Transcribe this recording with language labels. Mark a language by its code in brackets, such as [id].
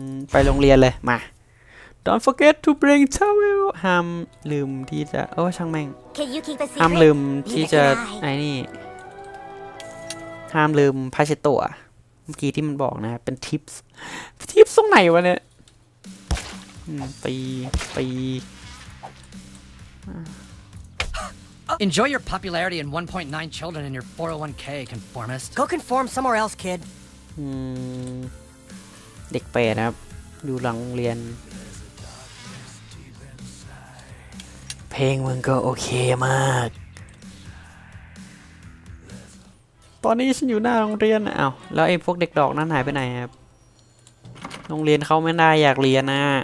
[th] ไปโรงเรียนเลยมา [en] Don't forget to bring towel [th] ห้ามลืมที่จะโอ้ช่างแม่งห้ามลืมที่จะไอ้นี่ห้ามลืมผ้าเช็ดตัวเมื่อกี้ที่มันบอกนะเป็นทิปส์ทิปส์ตรงไหนวะเนี่ยปี [en] Enjoy your popularity and 1.9 children in your 401k conformist Go conform somewhere else kid [th] เด็กแปดนะครับอยู่หลังเรียนเพลงมันก็โอเคมากตอนนี้ฉันอยู่หน้าโรงเรียนอ้าวแล้วไอ้พวกเด็กดอกนั้นหายไปไหนครับโรงเรียนเข้าไม่ได้อยากเรียนนะ